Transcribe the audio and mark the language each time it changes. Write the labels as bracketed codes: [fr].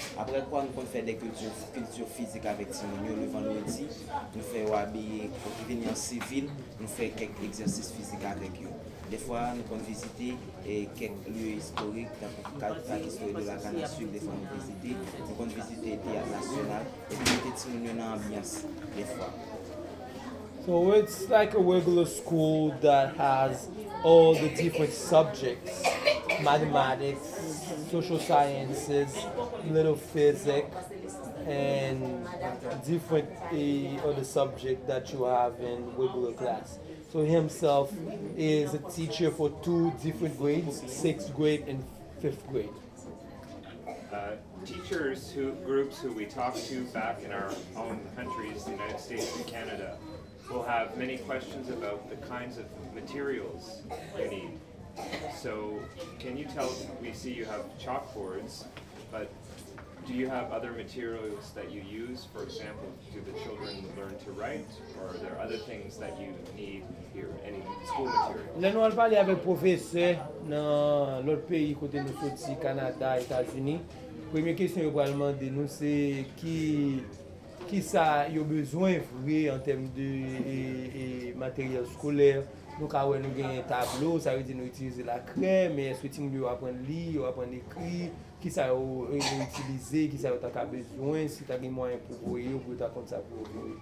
[fr] Après quoi nous faisons des cultures physiques avec Simon le vendredi, nous faisons habiller pour venir en civil, nous faisons quelques exercices physiques avec eux. Des fois, nous pouvons visiter quelques lieux historiques, comme le parc historique de la Canne à Sucre, des fois nous visiter. Nous pouvons visiter le théâtre national et nous mettons une ambiance, des fois. [en] So it's like a regular school that has all the different subjects, mathematics, social sciences, little physics, and different other subjects that you have in regular class. So himself is a teacher for 2 different grades, 6th grade and 5th grade. Teachers who groups who we talk to back in our own countries, the United States and Canada, will have many questions about the kinds of materials you need So can you tell, we see you have chalkboards, but do you have other materials that you use? For example, do the children learn to write, or are there other things that you need here, any school material? [fr] Là, nous allons parler avec professeur dans l'autre pays, côté nous sorti, Canada, États-Unis. Première question, vous allez demander, nous, c'est qui ça y a besoin vrai en termes de matériel scolaire. Nous avons un tableau, ça veut dire nous utiliser la craie, mais est-ce que tu veux apprendre à lire, apprendre à écrire, qui ça va utiliser, qui ça va besoin, si tu as des moyens pour vous, ou pour ta compte ça pour vous.